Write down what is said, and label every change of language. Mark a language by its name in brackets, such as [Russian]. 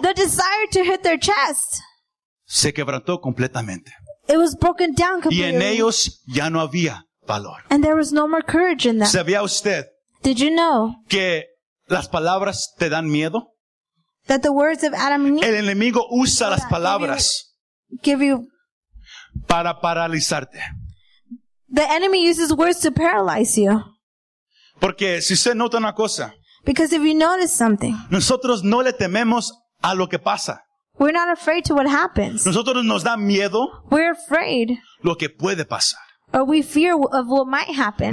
[English] the desire to hit their chest, [Spanish] se quebrantó completamente. [English] It was broken down completely. [Spanish] Y en ellos ya no había valor. [English] And there was no more courage in that. [Spanish] ¿Sabía usted? [English] Did you know? [Spanish] Que las palabras te dan miedo. [English] That the words of Adam and Eve. [Spanish] El enemigo usa las palabras. [English] Give you. [Spanish] Para paralizarte. [English] The enemy uses words to paralyze you. [Spanish] Porque si usted nota una cosa. [English] Because if you notice something. [Spanish] Nosotros no le tememos a lo que pasa. [English] We're not afraid to what happens. [Spanish] Nosotros nos da miedo. [English] We're afraid. [Spanish] Lo que puede pasar. [English] Or we fear of what might happen.